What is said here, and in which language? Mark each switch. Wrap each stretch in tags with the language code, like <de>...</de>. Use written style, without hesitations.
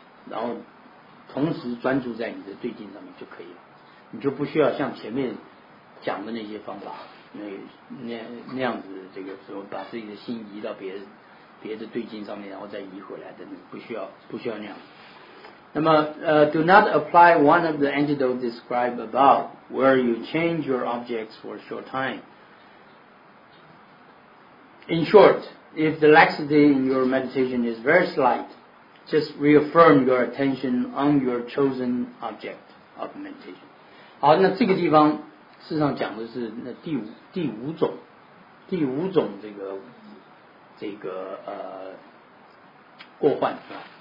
<zh>然后同时专注在你的对境上面就可以了，你就不需要像前面讲的那些方法，那样子这个时候把自己的心移到别的对境上面，然后再移回来的，不需要那样。</zh> <en>那么do not apply one of the antidotes described above where you change your objects for a short time. In short, if the laxity in your meditation is very slight, just reaffirm your attention on your chosen object of meditation.</en> <zh>好，那这个地方事实上讲的是那第五种这个过患是吧？</zh>